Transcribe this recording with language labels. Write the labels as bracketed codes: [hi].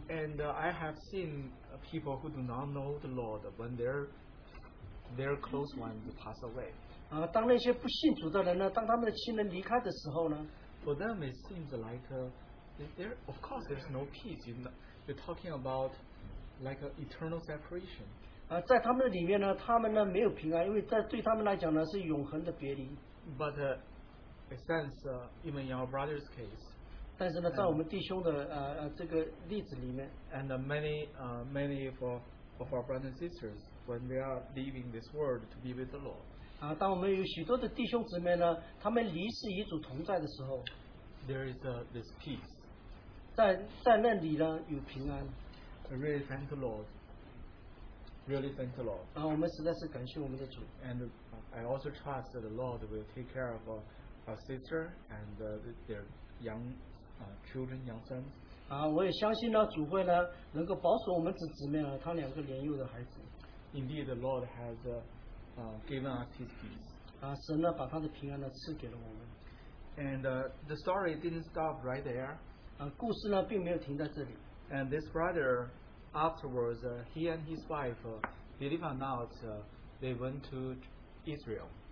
[en] And I have seen people who do not know the Lord when their close ones pass away. [zh] 当那些不信主的人呢，当他们的亲人离开的时候呢， [en] For them it seems like of course there's no peace. You're talking about like an eternal separation. [zh] 在他们的里面呢，他们呢没有平安，因为在对他们来讲呢是永恒的别离。 [en] But it sounds even in our brother's case. [zh] 但是呢, 在我们弟兄的, 这个例子里面, [en] and many of our brothers and sisters, when we are leaving this world to be with the Lord, [zh] 当我们有许多的弟兄姊妹呢, 他们离世与主同在的时候, [en] there is this peace. [zh] 在那里呢, 有平安。 [en] I really thank the Lord. Really thank the Lord. [zh] 我们实在是感谢我们的主。 [en] And I also trust that the Lord will take care of our sister and their young children, young sons. [zh] 我也相信呢，主会呢能够保守我们姊妹啊，他两个年幼的孩子。 [en] Indeed, the Lord has given us His peace. [zh] 神呢把他的平安呢赐给了我们。 [en] And the story didn't stop right there. [zh] 故事呢并没有停在这里。 [en] And this brother, afterwards, he and his wife, believe it or not, they went to Israel.